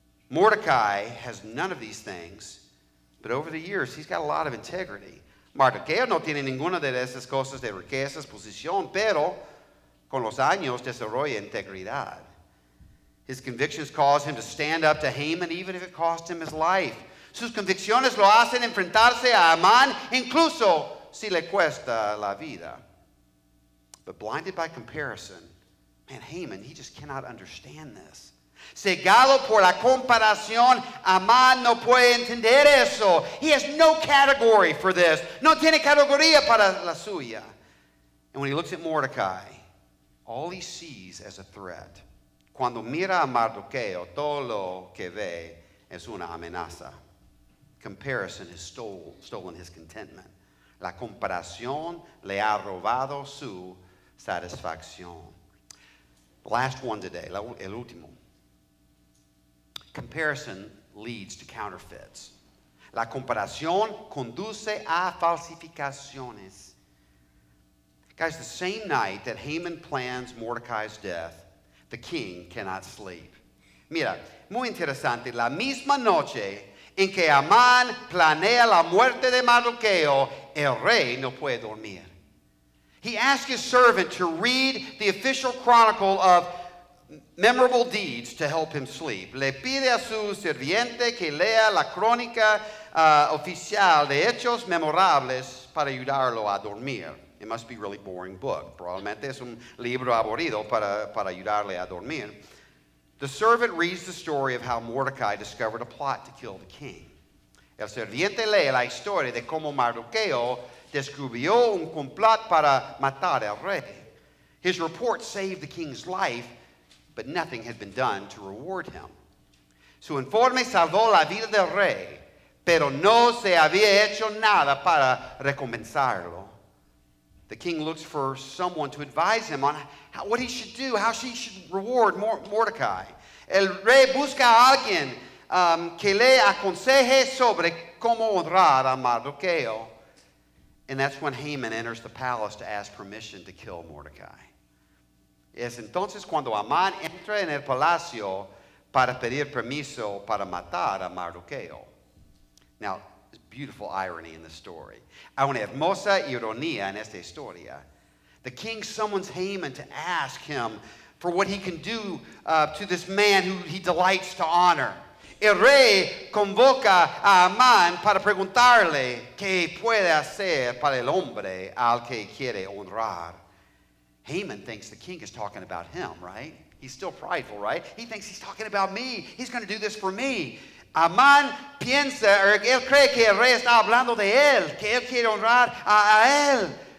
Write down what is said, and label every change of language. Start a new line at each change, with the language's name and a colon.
English: Mordecai has none of these things, but over the years, he's got a lot of integrity.
Spanish: Mardoqueo no tiene ninguna de esas cosas de riquezas, posición, pero con los años desarrolla integridad.
English: His convictions cause him to stand up to Haman, even if it cost him his life.
Spanish: Sus convicciones lo hacen enfrentarse a Amán, incluso si le cuesta la vida.
English: But blinded by comparison, man, Haman, he just cannot understand this.
Spanish: Cegado por la comparación, Amán no puede entender eso.
English: He has no category for this.
Spanish: No tiene categoría para la suya.
English: And when he looks at Mordecai, all he sees is a threat.
Spanish: Cuando mira a Mardoqueo, todo lo que ve es una amenaza.
English: Comparison has stolen his contentment.
Spanish: La comparación le ha robado su satisfacción.
English: Last one today,
Spanish: el último.
English: Comparison leads to counterfeits.
Spanish: La comparación conduce a falsificaciones.
English: Guys, the same night that Haman plans Mordecai's death, the king cannot sleep.
Spanish: Mira, muy interesante. La misma noche en que Amán planea la muerte de Mardoqueo, el rey no puede dormir.
English: He asks his servant to read the official chronicle of memorable deeds to help him sleep.
Spanish: Le pide a su sirviente que lea la crónica oficial de hechos memorables para ayudarlo a dormir.
English: It must be a really boring book.
Spanish: Probablemente es un libro aburrido para ayudarle a dormir.
English: The servant reads the story of how Mordecai discovered a plot to kill the king.
Spanish: El serviente lee la historia de cómo Mardoqueo descubrió un complot para matar al rey.
English: His report saved the king's life, but nothing had been done to reward him.
Spanish: Su informe salvó la vida del rey, pero no se había hecho nada para recompensarlo.
English: The king looks for someone to advise him on what he should do, how she should reward Mordecai.
Spanish: El rey busca a alguien que le aconseje sobre cómo honrar a Mardoqueo.
English: And that's when Haman enters the palace to ask permission to kill Mordecai.
Spanish: Es entonces cuando Amán entra en el palacio para pedir permiso para matar a Mardoqueo.
English: Now, beautiful irony in the story.
Spanish: Hay una hermosa ironía en esta historia.
English: The king summons Haman to ask him for what he can do to this man who he delights to honor.
Spanish: El rey convoca a Amán para preguntarle qué puede hacer para el hombre al que quiere honrar.
English: Haman thinks the king is talking about him, right? He's still prideful, right? He thinks he's talking about me. He's going to do this for me.
Spanish: Amán piensa, él cree que el rey está hablando de él, que él quiere honrar a él.